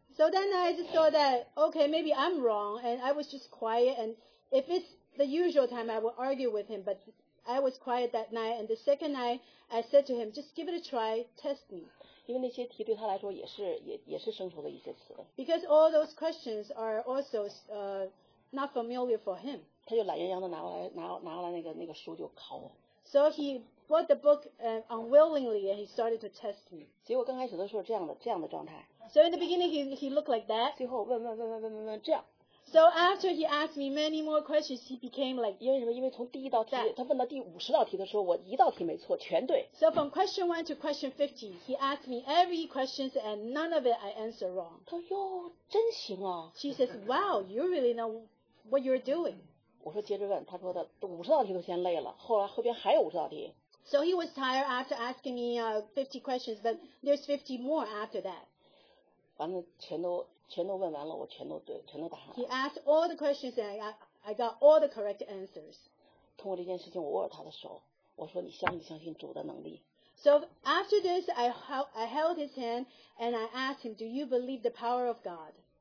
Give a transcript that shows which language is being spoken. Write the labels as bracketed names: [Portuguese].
[English] So then I just thought that, okay, maybe I'm wrong, and I was just quiet, and if it's the usual time, I would argue with him, but I was quiet that night, and the second night, I said to him, just give it a try, test me. [Chinese] 因为那些题对他来说也是生疏的一些词。 [English] Because all those questions are also not familiar for him. [Chinese] 他就懒洋洋地拿过来那个书就考我。 [English] So he bought the book unwillingly, and he started to test me. [Chinese] 结果刚开始的时候这样的状态。 [English] So in the beginning, he looked like that. [Chinese] 最后问,这样。 [English] So after he asked me many more questions, he became like [Chinese] 因为从第一道题，他问到第50道题的时候，我一道题没错，全对。 [English] So from question 1 to question 50, he asked me every question and none of it I answered wrong. [Chinese] 他说哟，真行啊。She [English] says, wow, you really know what you're doing. [Chinese] 我说接着问，他说的50道题都先累了，后来后边还有50道题。 [English] So he was tired after asking me 50 questions, but there's 50 more after that. [Chinese] 全都问完了，我全都对，全都答上了。 [English] He asked all the questions and I got all the correct answers. [Chinese] 通过这件事情，我握了他的手，我说你相不相信主的能力？ [English] So after this, I held his hand and I asked him, "Do you believe the power of God?"